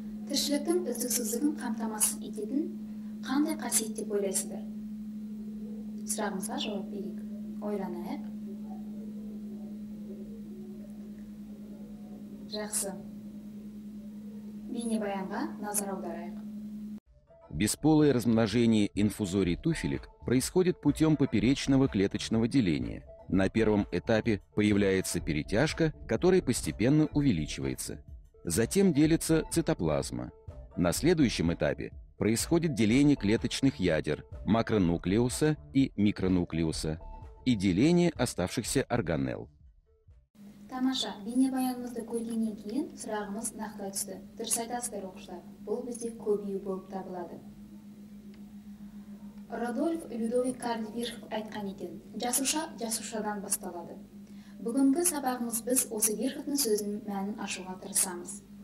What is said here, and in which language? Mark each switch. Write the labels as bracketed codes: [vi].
[kk] Тіршіліктің үздіксіздігін қамтамасыз ететін қандай қасиет деп ойлайсыздар? Сұрағымызға жауап берейік. Ойланайық. Жақсы. Бейнебаянға назар аударайық. [ru] Бесполое размножение инфузорий туфелек происходит путем поперечного клеточного деления. На первом этапе появляется перетяжка, которая постепенно увеличивается. Затем делится цитоплазма. На следующем этапе происходит деление клеточных ядер, макронуклеуса и микронуклеуса, и деление оставшихся органелл. [kk] Тамаша, бейнебаянымызды көргеннен кейін сұрағымыз нақтылай түсті. Дұрыс айтасыздар, оқушылар. Бұл бізде көбею болып табылады. Родольф Людовик Карл Вирхов айтқан екен, жасуша жасушадан басталады. Бүгінгі сабағымыз біз осы Вирховтың сөзінің мәнін ашуға тырысамыз.